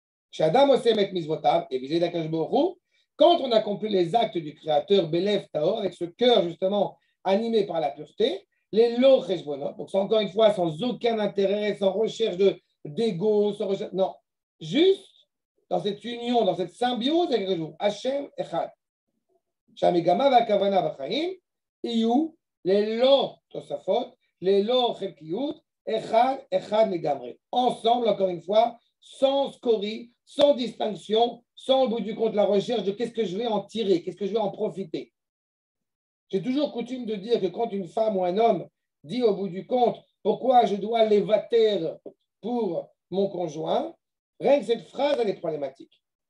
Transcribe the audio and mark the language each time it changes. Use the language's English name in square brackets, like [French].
[French] Shadam Osemet Mizvotav, et visé d'Akash Borou, quand on accomplit les actes du Créateur Belev Taor, avec ce cœur justement animé par la pureté, les Lochesbonot, donc c'est encore une fois sans aucun intérêt, sans recherche d'ego, sans recherche. Non, juste dans cette union, dans cette symbiose avec Akash Borou, Hashem Echad. [Hebrew] שהמגמה והכוונה בחיים יהיו ללא תוספות, ללא חלקיות, אחד, אחד לגמרי. [French] Ensemble, encore une fois, sans scorie, sans distinction, sans au bout du compte la recherche de qu'est-ce que je vais en tirer, qu'est-ce que je vais en profiter. J'ai toujours coutume de dire que quand une femme ou un homme dit au bout du compte pourquoi je dois l'évater pour mon conjoint, rien que cette phrase, elle est problématique.